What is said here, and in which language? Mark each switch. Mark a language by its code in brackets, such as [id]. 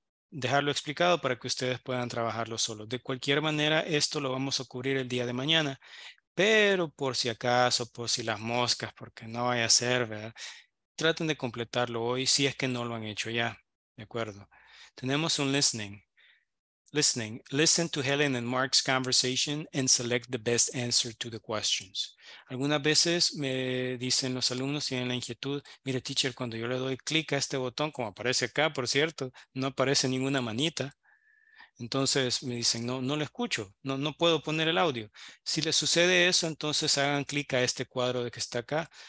[es] Dejarlo explicado para que ustedes puedan trabajarlo solos. De cualquier manera, esto lo vamos a cubrir el día de mañana. Pero por si acaso, por si las moscas, porque no vaya a ser, ¿verdad? Traten de completarlo hoy si es que no lo han hecho ya. ¿De acuerdo? Tenemos un listening. Listening. [en] Listen to Helen and Mark's conversation and select the best answer to the questions. [es] Algunas veces me dicen los alumnos, tienen la inquietud, mire, teacher, cuando yo le doy clic a este botón, como aparece acá, por cierto, no aparece ninguna manita. Entonces me dicen, no lo escucho, no puedo poner el audio. Si les sucede eso, entonces hagan clic a este cuadro de que está acá.